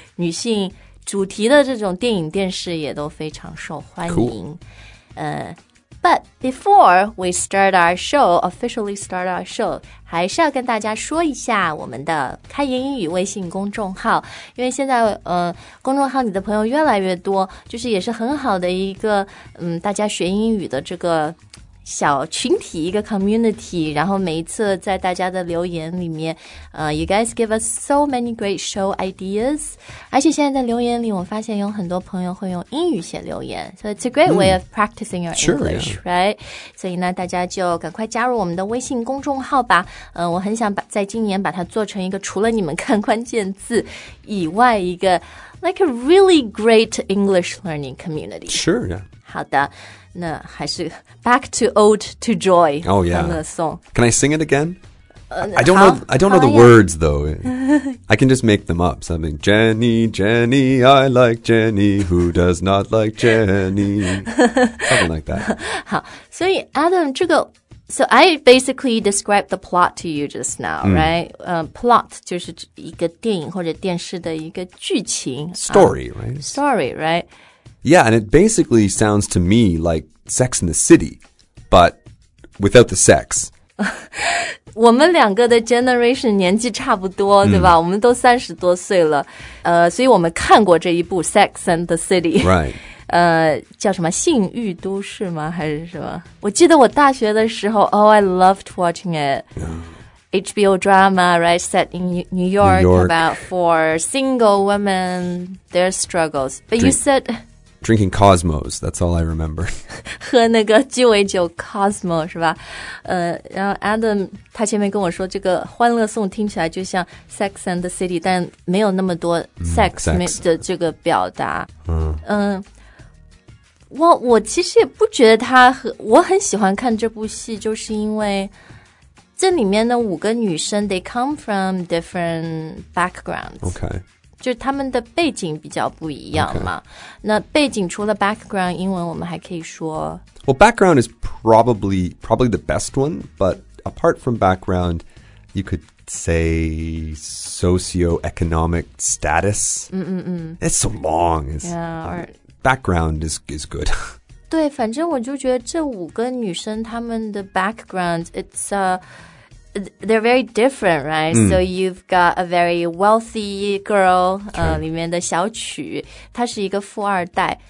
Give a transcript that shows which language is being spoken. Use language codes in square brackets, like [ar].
[zh] 女性主题的这种电影电视也都非常受欢迎、 [en] But before we start our show, [zh] officially start our show, 还是要跟大家说一下我们的开言英语微信公众号。因为现在公众号里的朋友越来越多，就是也是很好的一个大家学英语的这个小群体，一个 community。然后每一次在大家的留言里面 [en] you guys give us so many great show ideas. [zh] 而且现在在留言里我发现有很多朋友会用英语写留言。 [en] So it's a great way of practicing your English, sure, yeah. right? [zh] 所以呢大家就赶快加入我们的微信公众号吧。我很想把在今年把它做成一个除了你们看关键字以外一个 [en] like a really great English learning community. Sure, yeah. [zh] 好的，那还是 [en] back to Ode to Joy. Oh yeah, the song. Can I sing it again? I don't know the words though. I can just make them up. Something Jenny, Jenny, I like Jenny. Who does not like Jenny? Something like that. [zh] 好，所以 Adam 这个。 [en] So I basically described the plot to you just now, right? [zh] Plot 就是一个电影或者电视的一个剧情 [en] Story, right? Story, right? Yeah, and it basically sounds to me like Sex in the City, but without the sex. [zh] 我们两个的 generation 年纪差不多、对吧我们都三十多岁了所以我们看过这一部 Sex and the City. [en] Right. [zh] 叫什么性欲都市吗还是什么我记得我大学的时候 [en] Oh, I loved watching it.、HBO drama, right, set in New York about four single women, their struggles. But you said... Drinking Cosmos, that's all I remember. [zh] 喝那个鸡尾酒 Cosmo, 是吧？然后 Adam, 他前面跟我说这个欢乐颂听起来就像 Sex and the City, 但没有那么多 sex, [en] sex. [zh] 的这个表达。我其实也不觉得他我很喜欢看这部戏就是因为这里面的五个女生 [en] they come from different backgrounds. Okay. [zh] 就是他们的背景比较不一样嘛、那背景除了 background 英文我们还可以说 [en] Well, background is probably the best one But apart from background You could say socioeconomic status It's so long it's, Background is good [zh] 对反正我就觉得这五个女生她们的 background [en] It's aThey're very different, right?、So you've got a very wealthy girl,、 [zh] 里面的小曲，她是一个富二代。